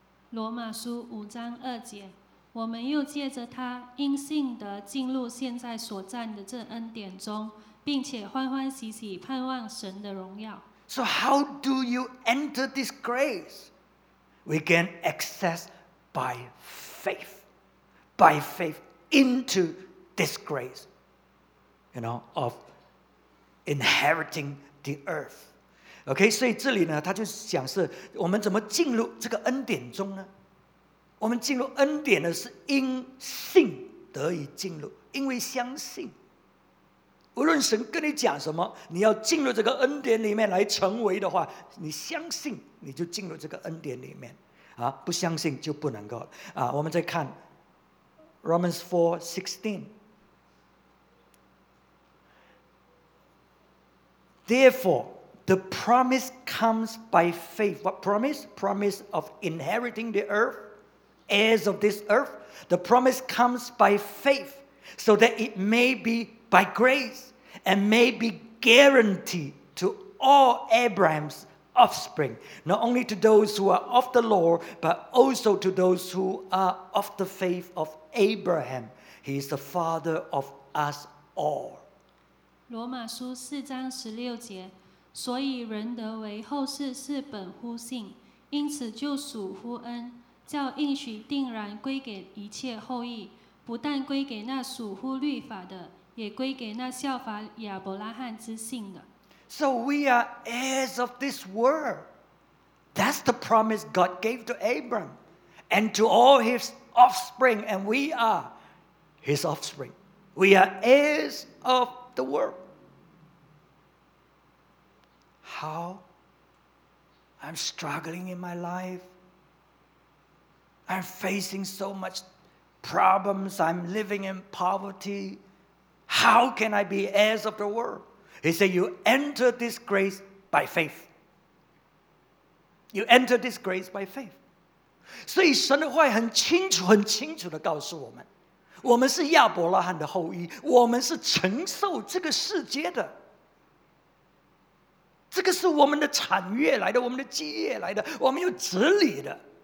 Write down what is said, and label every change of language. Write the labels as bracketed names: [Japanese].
[Chinese] 罗马书五章二节，我们又借着他因信得进入现在所站的这恩典中，并且欢欢喜喜盼望神的荣耀。 [English] So how do you enter this grace? We gain access by faith into this grace. You know, of inheriting the earth. [Chinese] Okay, 所以这里呢，他就讲是我们怎么进入这个恩典中呢？我们进入恩典呢，是因信得以进入，因为相信。无论神跟你讲什么，你要进入这个恩典里面来成为的话，你相信你就进入这个恩典里面，不相信就不能够。我们再看 Romans 4:16。 [English] Therefore, the promise comes by faith. What promise? Promise of inheriting the earth, heirs of this earth. The promise comes by faith, so that it may be by grace and may be guaranteed to all Abraham's offspring, not only to those who are of the law, but also to those who are of the faith of Abraham. He is the father of us all. [Chinese] 罗马书四章十六节，所以人得为后世是本乎信，因此就属乎恩，叫应许定然归给一切后裔，不但归给那属乎律法的，也归给那效法亚伯拉罕之信的。 [English] So we are heirs of this world. That's the promise God gave to Abram and to all his offspring, and we are his offspring. We are heirs of the world. How? I'm struggling in my life. I'm facing so much problems. I'm living in poverty. How can I be heirs of the world? He said, you enter this grace by faith. You enter this grace by faith. [Chinese] 所以神的话很清楚，很清楚地告诉我们，我们是亚伯拉罕的后裔，我们是承受这个世界的，这个是我们的产业来的，我们的基业来的，我们有治理的。